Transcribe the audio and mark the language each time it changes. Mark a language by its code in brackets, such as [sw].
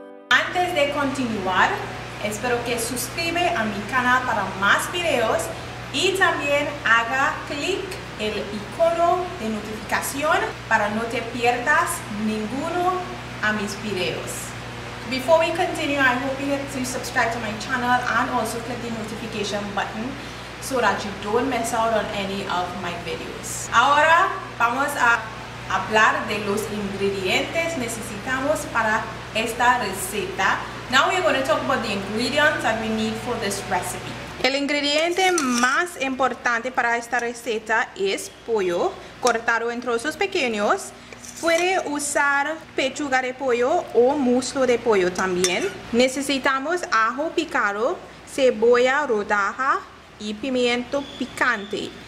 [es] Antes de continuar, espero que suscribe a mi canal para más videos y también haga clic el icono de notificación para no te pierdas ninguno a mis videos. [en] Before we continue, I hope you get to subscribe to my channel and also click the notification button so that you don't miss out on any of my videos. [es] Ahora vamos a hablar de los ingredientes necesitamos para esta receta. [en] Now we're going to talk about the ingredients that we need for this recipe. [es] El ingrediente más importante para esta receta es pollo cortado en trozos pequeños. Puede usar pechuga de pollo o muslo de pollo también. Necesitamos ajo picado, cebolla rodaja y pimiento picante.